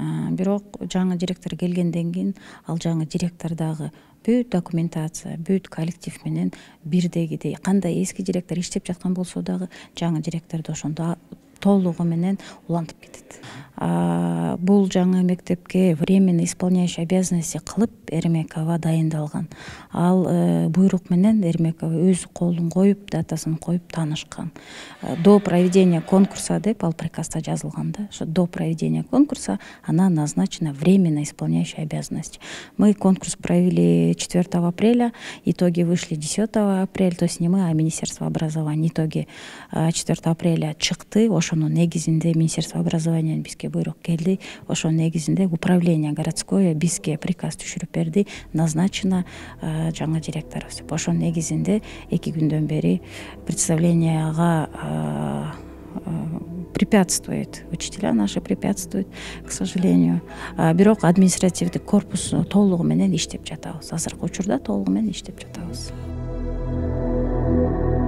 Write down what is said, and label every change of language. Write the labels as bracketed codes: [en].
[ky] Бирок жаңы директор келгенден кийин ал жаңы директор дагы бүт документация, бүт коллектив менен бирдегидей, кандай эски директор иштеп жаткан болсо дагы жаңы директорду ошондо толугу менен улантып кетет. Бул жаңы мектепке [ru] временно исполняющий обязанности [ky] кылып РМКга дайындалган. Ал буйрук менен РМК өз колун коюп, датасын коюп таанышкан. [ru] До проведения конкурса [ky] деп ал приказда жазылган да. Ошо [ru] до проведения конкурса она назначена временно исполняющей обязанности. Мы конкурс провели 4 апреля, итоги вышли 10 апреля, то есть не мы, а Министерство образования. Итоги 4 апреля [ky] чыкты. Ошонун негизинде Министерство образования бизге буйрук келди. Ошонун негизинде [ru] управление городское [ky] бизге приказ түшүрүп берди. [ru] Назначена [ky] жаңы директорубуз. Ошонун негизинде эки күндөн бери представленияга [ru] препятствует, учителя наши препятствуют, к сожалению. [ky] Бирок [ru] административный корпус [ky] толугу менен иштеп жатабыз. Азыркы учурда толугу менен иштеп жатабыз.